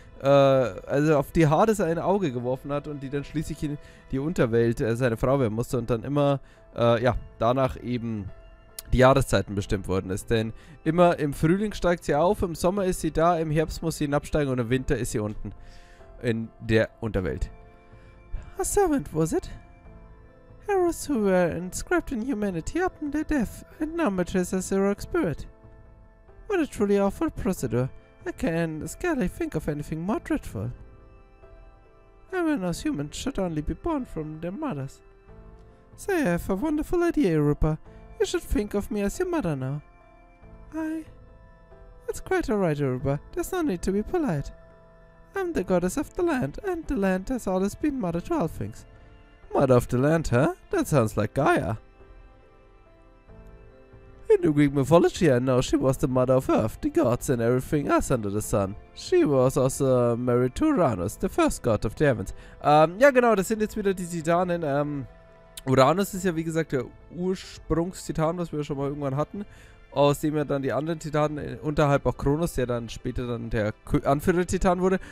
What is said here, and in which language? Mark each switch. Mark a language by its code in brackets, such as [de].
[de] also auf die Hades ein Auge geworfen hat und die dann schließlich in die Unterwelt seine Frau werden musste und dann immer, danach eben die Jahreszeiten bestimmt worden ist. Denn immer im Frühling steigt sie auf, im Sommer ist sie da, im Herbst muss sie hinabsteigen und im Winter ist sie unten in der Unterwelt. [en] A servant, was it? Heroes who were inscribed in humanity upon their death and now matches as a rogue spirit. What a truly awful procedure. I can scarcely think of anything more dreadful. Everyone as humans should only be born from their mothers. So I have a wonderful idea, Rupa. You should think of me as your mother now. It's quite alright, Rupa. There's no need to be polite. I'm the goddess of the land, and the land has always been mother to all things. Mother of the land, huh? That sounds like Gaia. In the Greek mythology, I know she was the mother of Earth, the gods, and everything else under the sun. She was also married to Uranus, the first god of the heavens. [de] Das sind jetzt wieder die Titanen. Uranus ist ja, wie gesagt, der Ursprungstitan, was wir schon mal irgendwann hatten. Aus dem ja dann die anderen Titanen, unterhalb auch Kronos, der dann später dann der Anführer-Titan wurde.